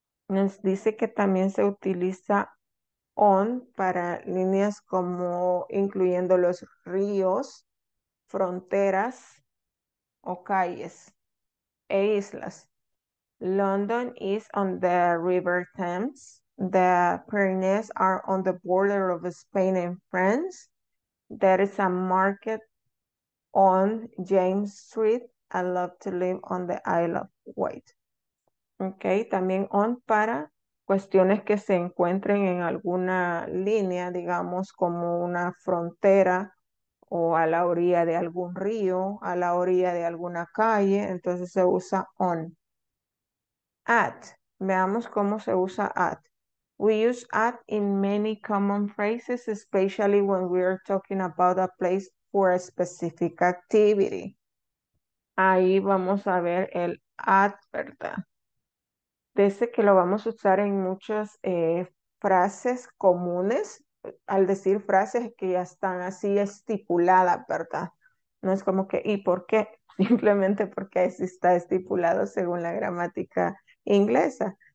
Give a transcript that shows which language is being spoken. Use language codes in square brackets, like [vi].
[es] Nos dice que también se utiliza on para líneas como incluyendo los ríos, fronteras o calles e islas. [en] London is on the River Thames. The Pyrenees are on the border of Spain and France. There is a market on James Street. I love to live on the Isle of Wight. [es] Ok, también on para cuestiones que se encuentren en alguna línea, digamos como una frontera o a la orilla de algún río, a la orilla de alguna calle, entonces se usa on. At, veamos cómo se usa at. [en] We use at in many common phrases, especially when we are talking about a place for a specific activity. [es] Ahí vamos a ver el at, ¿verdad? Dice que lo vamos a usar en muchas frases comunes. Al decir frases que ya están así estipuladas, ¿verdad? No es como que, ¿y por qué? Simplemente porque así está estipulado según la gramática inglesa.